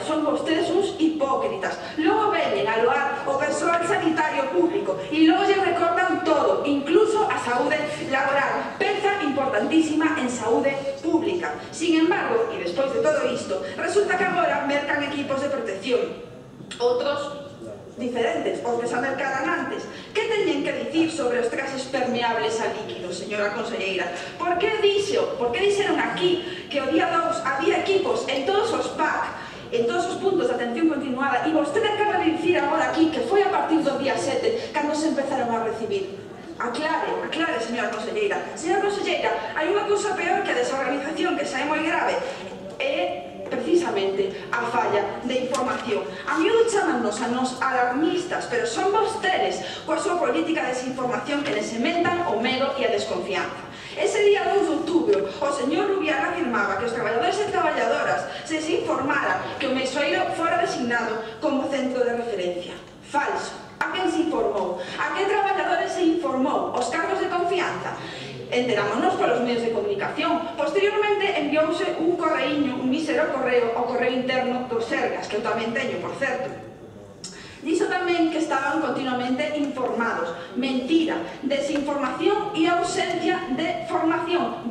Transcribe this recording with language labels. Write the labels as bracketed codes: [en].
[gl] Son vostedes uns hipócritas. Logo veñen a loar o persoal sanitario público e logo lle recortan todo, incluso a saúde laboral. Peza importante. importantísima en saúde pública. [es] Sin embargo, y después de todo esto, resulta que ahora mercan equipos de protección. Otros diferentes, [gl] os que se mercaran antes. ¿Qué teñen que dicir sobre os traxes permeables a líquido, señora conselleira? Por que dixeron aquí que o día 2 había equipos en todos os PAC, en todos os puntos de atención continuada, e vostede acaba de dicir agora aquí que foi a partir do día 7 cando se empezaron a recibir? Aclare, aclare, señora conselleira. Señora conselleira, hai unha cousa peor que a desorganización, que xa é moi grave. É precisamente a falla de información. A miúdo chamannos a nos alarmistas, pero son vostedes coa súa política de desinformación que les sementan o medo e a desconfianza. Ese día 2 de outubro, o señor Rubiar afirmaba que os traballadores e traballadoras se desinformara que o mesoeiro fora designado como centro de referencia. Falso. A quen se informou? A que traballadores se informou? Os cargos de confianza? Enterámonos polos medios de comunicación. Posteriormente enviouse un correiño, un mísero correo, o correo interno dos Sergas, que eu tamén teño, por certo. Dixo tamén que estaban continuamente informados. Mentira, desinformación e ausencia de formación.